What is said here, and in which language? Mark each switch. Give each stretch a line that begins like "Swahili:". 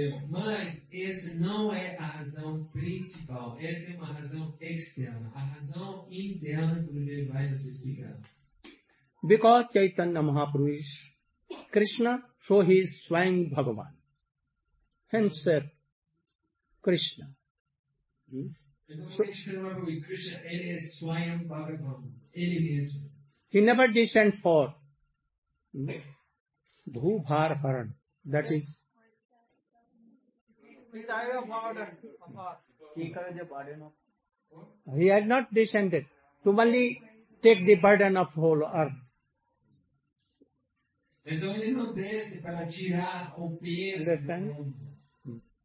Portuguese: Mas essa não é a razão principal, essa é uma razão externa. A razão interna que ele vai nos explicar.
English: Because Chaitanya Mahaprabhu is Krishna, so he is Swayam Bhagavan. Hence, Krishna.
Portuguese: Krishna, ele é Swayam Bhagavan. Ele mesmo.
English: He never descends for Bhubhar Haran. That is, he has not descended to only take the burden of whole earth.
Portuguese: Então ele não desce para tirar o peso do mundo.